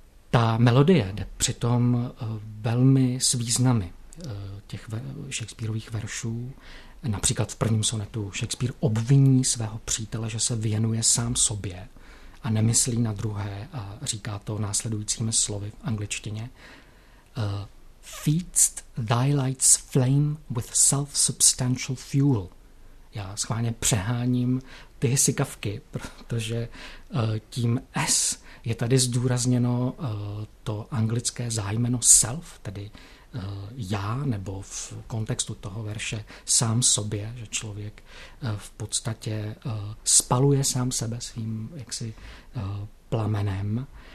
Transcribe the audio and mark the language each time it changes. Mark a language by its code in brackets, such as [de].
[cs] Ta melodie jde přitom velmi s významy těch Shakespeareových veršů. Například v prvním sonetu Shakespeare obviní svého přítele, že se věnuje sám sobě a nemyslí na druhé, a říká to následujícími slovy v angličtině. [en] Feedst thy light's flame with self-substantial fuel. [cs] Já schválně přeháním ty hysikavky, protože tím S je tady zdůrazněno to anglické zájmeno self, tedy já, nebo v kontextu toho verše sám sobě, že člověk v podstatě spaluje sám sebe svým jaksi plamenem.